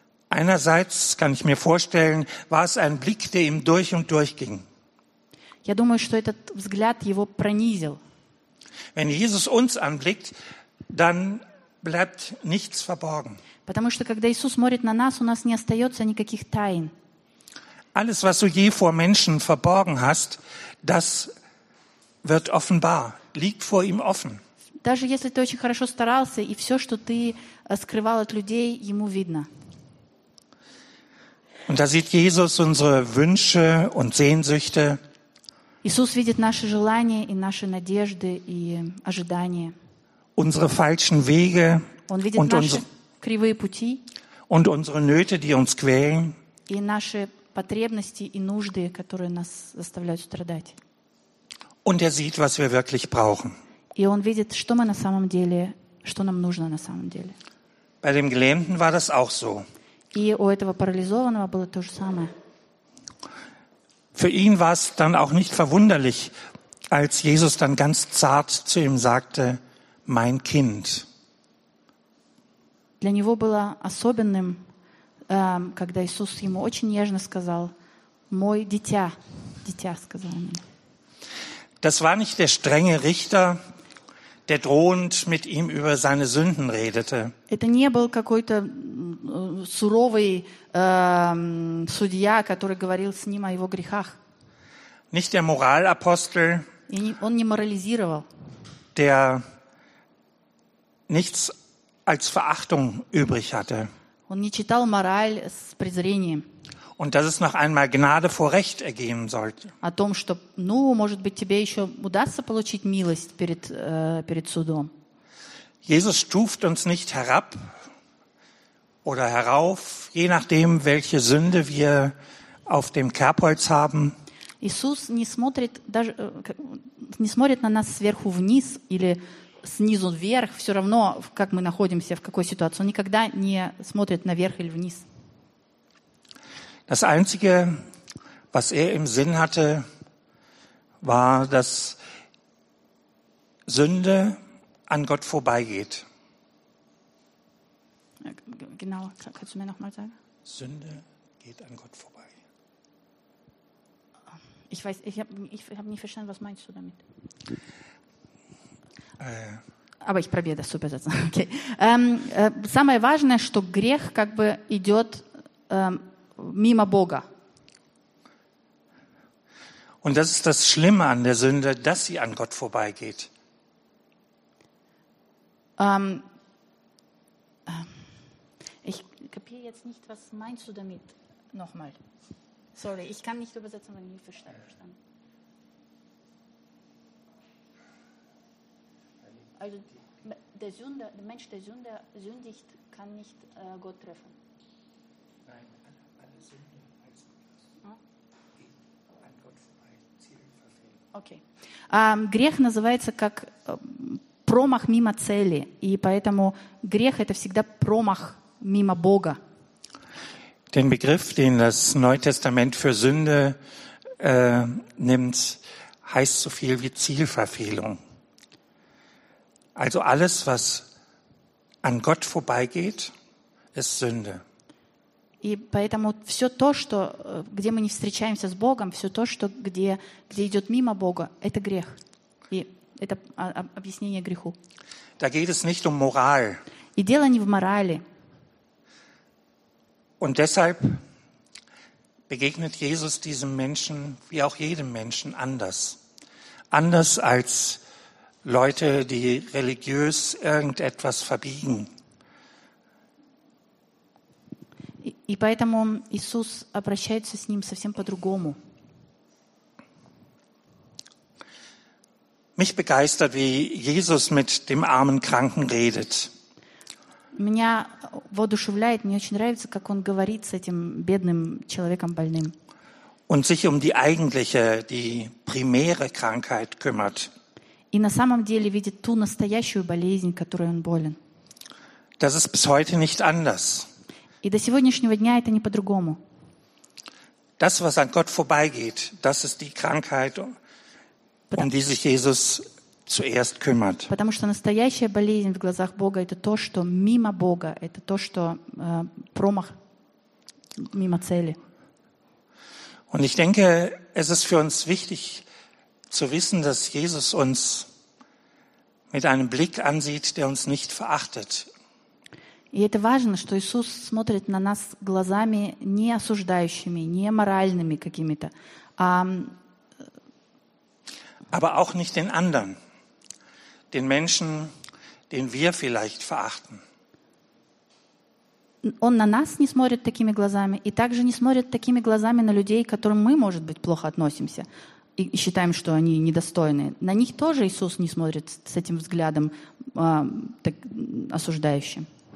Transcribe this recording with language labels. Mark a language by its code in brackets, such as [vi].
[de] Einerseits kann ich mir vorstellen, war es ein Blick, der ihm durch und durch ging. [ru] Я думаю, что этот взгляд его пронизил. [de] Wenn Jesus uns anblickt, dann bleibt nichts verborgen. [ru] Потому что когда Иисус смотрит на нас, у нас не остается никаких тайн. [de] Alles, was du je vor Menschen verborgen hast, das wird offenbar, liegt vor ihm offen. [ru] Даже если ты очень хорошо старался, и все, что ты скрывал от людей, ему видно. [de] Und da sieht Jesus unsere Wünsche und Sehnsüchte. [ru] Иисус видит наши желания и наши надежды и ожидания. [de] Unsere falschen Wege und [ru] видит наши кривые пути. [de] Und unsere Nöte, die uns quälen. [ru] И наши потребности и нужды, которые нас заставляют страдать. [de] Und sieht, was wir wirklich brauchen. [ru] И он видит, что мы на самом деле, что нам нужно на самом деле. [de] Bei dem Gelähmten war das auch so. [ru] И у этого парализованного было то же самое. [de] Für ihn war es dann auch nicht verwunderlich, als Jesus dann ganz zart zu ihm sagte, mein Kind. [ru] Для него было особенным, когда Иисус ему очень нежно сказал, мой дитя, дитя сказал ему. [de] Das war nicht der strenge Richter, der drohend mit ihm über seine Sünden redete. [ru] Это не был какой-то суровый судья, который говорил с ним о его грехах. [de] Nicht der Moralapostel. [ru] Он не морализировал. [de] Der nichts als Verachtung übrig hatte. [ru] Он не читал мораль с презрением. [de] Und dass es noch einmal Gnade vor Recht ergeben sollte. [ru] О том, что, ну, может быть, тебе еще удастся получить милость перед, перед судом. [de] Jesus stuft uns nicht herab oder herauf, je nachdem, welche Sünde wir auf dem Kerbholz haben. [ru] Иисус не смотрит даже не смотрит на нас сверху вниз или снизу вверх, все равно, как мы находимся, в какой ситуации. Он никогда не смотрит наверх или вниз. [de] Das Einzige, was im Sinn hatte, war, dass Sünde an Gott vorbeigeht. Genau, kannst du mir nochmal sagen? Sünde geht an Gott vorbei. Ich weiß, ich hab nicht verstanden, was meinst du damit? Aber ich probiere das zu übersetzen. Okay. [ru] Самое важное, что грех как бы идет... мимо Бога. [de] Und das ist das Schlimme an der Sünde, dass sie an Gott vorbeigeht. Ich kapiere jetzt nicht, was meinst du damit nochmal? Sorry, ich kann nicht übersetzen, wenn ich nicht verstanden. Also der Sünde, der Mensch, der Sünde sündigt, kann nicht Gott treffen. [ru] Грех называется как промах мимо цели, и поэтому грех — это всегда промах мимо Бога. [de] Den Begriff, den das Neue Testament für Sünde nimmt, heißt so viel wie Zielverfehlung. Also alles, was an Gott vorbeigeht, ist Sünde. [ru] И поэтому все то, что, где мы не встречаемся с Богом, все то, что, где, где идет мимо Бога, это грех. И это объяснение греху. [de] Da geht es nicht um Moral. [ru] И дело не в морали. [de] Und deshalb begegnet Jesus diesem Menschen, wie auch jedem Menschen, anders. Anders als Leute, die religiös irgendetwas verbiegen. [ru] И поэтому Иисус обращается с ним совсем по-другому. [de] Mich begeistert, wie Jesus mit dem armen Kranken redet. [ru] Меня воодушевляет, мне очень нравится, как он говорит с этим бедным человеком больным. [de] Und sich um die eigentliche, die primäre Krankheit kümmert. [ru] И на самом деле видит ту настоящую болезнь, которой он болен. [de] Das ist bis heute nicht anders. [ru] И до сегодняшнего дня это не по-другому. [de] Das, was an Gott vorbeigeht, das ist die Krankheit, um die sich Jesus zuerst kümmert. [ru] Потому что настоящая болезнь в глазах Бога это то, что мимо Бога, это то, что промах мимо цели. [de] Und ich denke, es ist für uns wichtig zu wissen, dass Jesus uns mit einem Blick ansieht, der uns nicht verachtet. [ru] И это важно, что Иисус смотрит на нас глазами не осуждающими, не моральными какими-то, а [de] aber auch nicht den anderen, den Menschen, den wir vielleicht verachten. [ru] Он на нас не смотрит такими глазами и также не смотрит такими глазами на людей, к которым мы, может быть, плохо относимся и считаем, что они недостойны. На них тоже Иисус не смотрит с этим взглядом так, осуждающим.